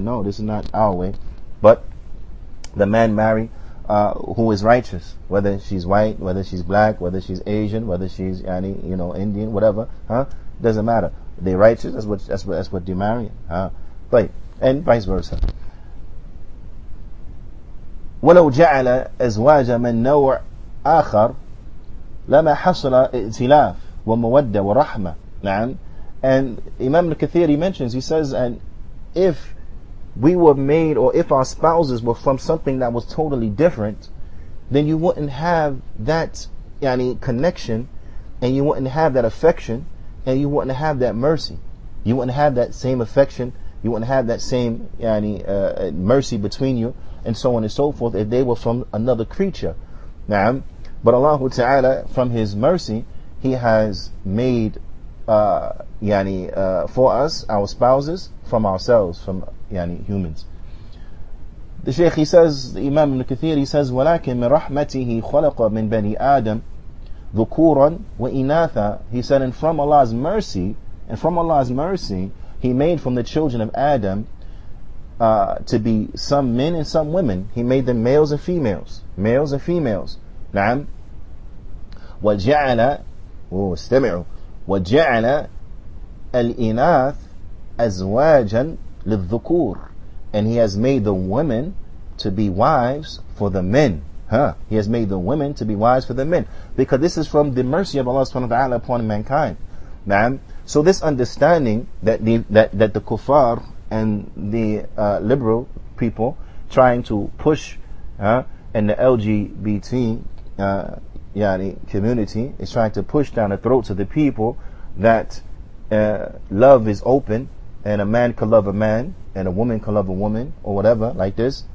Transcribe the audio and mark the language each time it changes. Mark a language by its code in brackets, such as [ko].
[en] No, this is not our way. But the man marry who is righteous, whether she's white, whether she's black, whether she's Asian, whether she's Indian, whatever, doesn't matter. They're righteous. That's what they marry, but and vice versa. [ar] ولو جعل أزواج من نوع آخر لما حصل ائتلاف ومودة ورحمة. نعم. [en] And Imam al-Kathir, he mentions, he says, and if we were made, or if our spouses were from something that was totally different, then you wouldn't have that connection, and you wouldn't have that affection, and you wouldn't have that mercy. You wouldn't have that same affection, you wouldn't have that same mercy between you, and so on and so forth, if they were from another creature. Na'am. But Allah Ta'ala, from His mercy, He has made for us, our spouses, from ourselves, from humans. The Shaykh, he says, [ar] Imam al-Kathir, he says, وَلَكِن مِن رَحْمَتِهِ خَلَقَ مِن بَنِي آدَمْ ذُكُورًا وَإِنَاثًا. [en] He said, and from Allah's mercy, and from Allah's mercy, He made from the children of Adam to be some men and some women. He made them males and females. Males and females. نعم. [ar] وَجَعَلَ استمعوا وَجَعَلَ الْإِنَاثِ أَزْوَاجًا للذكور. [en] And He has made the women to be wives for the men. Huh? He has made the women to be wives for the men. Because this is from the mercy of Allah subhanahu wa ta'ala upon mankind. Ma'am? So this understanding that the kuffar and the liberal people trying to push and the LGBT community is trying to push down the throats of the people that love is open, and a man can love a man, and a woman can love a woman, or whatever, like this.